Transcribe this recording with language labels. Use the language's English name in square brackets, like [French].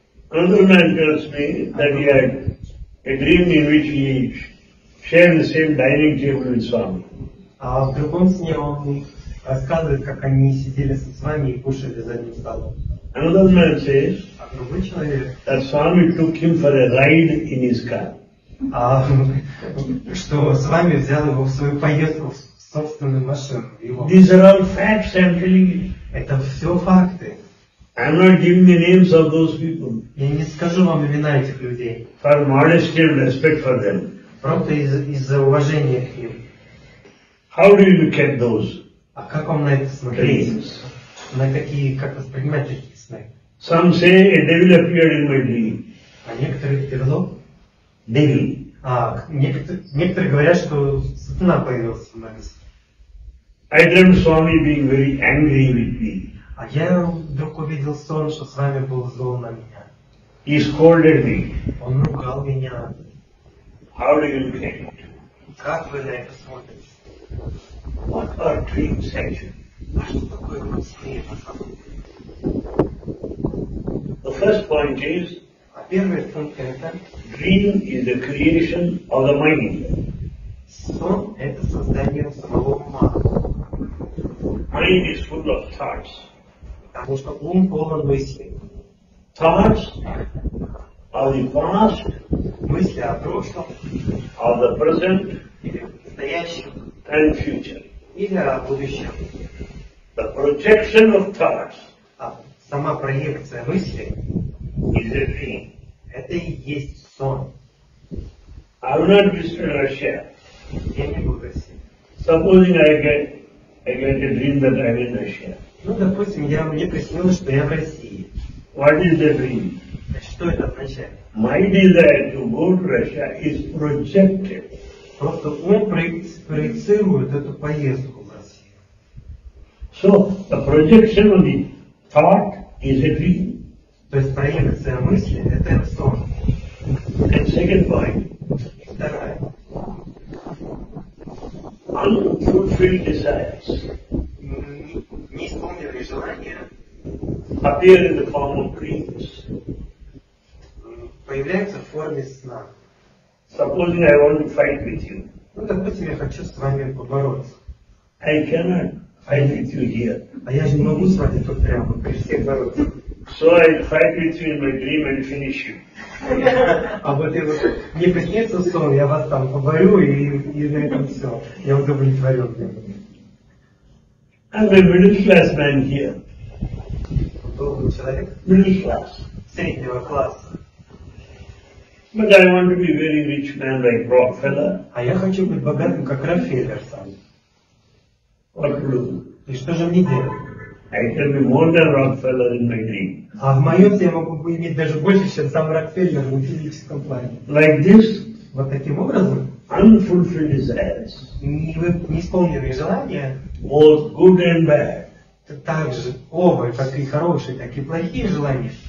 [English] Another man tells me that he had a dream in which he shared the same dining table with Swami. [Russian] А в другом сне он рассказывает, как они сидели со Свами и кушали за одним столом. [English] Another man says, [Russian] а другой человек, [English] that Swami took him for a ride in his car. [Russian] А что Свами взял его в свою поездку в собственную машину. [English] These are all facts, I'm telling you. [Russian] Это все факты. [English] I'm not giving the names of those people. [Russian] Я не скажу вам имена этих людей. [English] For modesty and respect for them. [Russian] Просто из-за уважения к ним. [English] How do you look at those? [Russian] А как вам на это смотреть? На какие, как воспринимать эти сны? [English] Some say a devil appeared in my dream. [Russian] А некоторые перло? [English] Devil. [Russian] А некоторые говорят, что сатана появился в моем сне. [English] I dreamt Swami being very angry with me. [Russian] А я вдруг увидел сон, что с вами был зол на меня. [English] He scolded me. [Russian] Он ругал меня. [English] How do you look at it? [Russian] Как вы на это смотрите? [English] What are dreams actually? [Russian] А что такое сны? [English] The first point is, [Russian] а первый пункт это, [English] dream is the creation of the mind. [Russian] Сон это создание самого ума. [English] Mind is full of thoughts. [Russian] Потому что ум полон мыслей. [English] Thoughts are the past. [Russian] Мысли о прошлом. [English] Are the present. [Russian] Или настоящем. [English] And future. [Russian] Или о будущем. [English] The projection of thoughts. [Russian] А сама проекция мыслей. [English] Is a dream. [Russian] Это и есть сон. [English] I will not be in Russia. [Russian] Я не буду в России. [English] Supposing I get a dream that I'm in Russia. [Russian] Ну, допустим, мне приснилось, что я в России. [English] What is the dream? [Russian] Что это означает? [English] My desire to go to Russia is projected. [Russian] Просто он проецирует эту поездку в Россию. [English] So, the projection of the thought is a dream. [Russian] То есть проекция мысли – это сон. [English] And second point. [Russian] Вторая. [English] Unfulfilled desires. [Russian] Неисполненные желания. [English] Appear in the form of dreams. [Russian] Появляются в форме сна. [English] Supposing I want to fight with you. [Russian] Ну, допустим, я хочу с вами побороться. [English] I cannot fight with you here. [Russian] А я же не могу с вами тут прямо при всех бороться. [English] So I fight with you in my dream and finish you. [Russian] А вот я вот мне приснится сон, я вас там поборю и на этом все. Я удовлетворен. [English] I'm a middle class man here. [Russian] Долгий человек? [English] Middle class. [Russian] Среднего класса. [English] But I want to be very rich man like Rockefeller. [Russian] А я хочу быть богатым, как Рокфеллер сам. [English] What do? [Russian] И что же мне делать? [English] I can be more than Rockefeller in my dream. [Russian] А в моем-то я могу иметь даже больше, чем сам Рокфеллер в физическом плане. [English] Like this? [Russian] Вот таким образом? [English] Unfulfilled desires. [Russian] Неисполненные желания? [English] Both good and bad. [Russian] Так же, оба, как и хорошие, так и плохие желания.